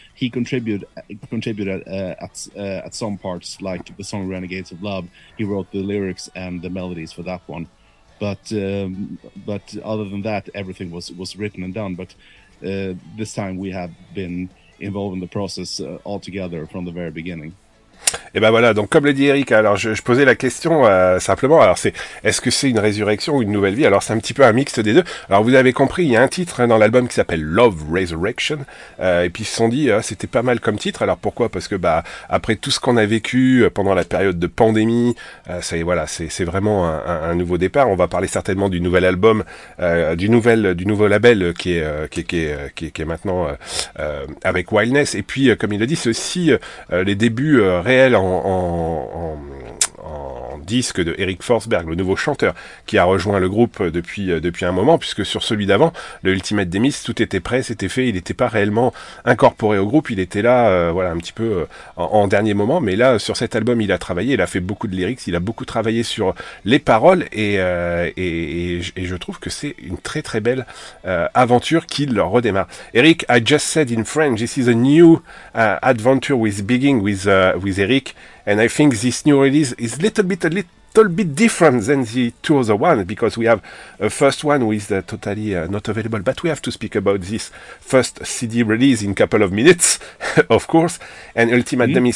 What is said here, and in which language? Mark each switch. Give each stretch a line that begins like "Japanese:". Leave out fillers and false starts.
English: He contributed at some parts, like the song "Renegades of Love." He wrote the lyrics and the melodies for that one. But other than that, everything was written and done. But this time we have been involved in the process altogether from the very beginning.
French: Et ben voilà, donc comme le dit Eric, alors je posais la question simplement, alors c'est est-ce que c'est une résurrection ou une nouvelle vie? Alors c'est un petit peu un mixte des deux. Alors vous avez compris, il y a un titre dans l'album qui s'appelle Love Resurrection, et puis ils se sont dit c'était pas mal comme titre. Alors pourquoi? Parce que bah après tout ce qu'on a vécu pendant la période de pandémie, c'est vraiment un nouveau départ. On va parler certainement du nouvel album, du nouveau label qui est maintenant avec Wildness. Et puis comme il l'a dit, c'est aussi les débuts réels en disque de Eric Forsberg, le nouveau chanteur qui a rejoint le groupe depuis un moment, puisque sur celui d'avant, le Ultimate Demis, tout était prêt, c'était fait, il n'était pas réellement incorporé au groupe, il était là un petit peu en dernier moment. Mais là sur cet album il a travaillé, il a fait beaucoup de lyrics, il a beaucoup travaillé sur les paroles, et je trouve que c'est une très très belle aventure qui le redémarre.
English: Eric, I just said in French, this is a new adventure with Begging with Eric. And I think this new release is a little bit different than the two other ones, because we have a first one who is totally not available, but we have to speak about this first CD release in a couple of minutes, of course, and Ultimate Demis.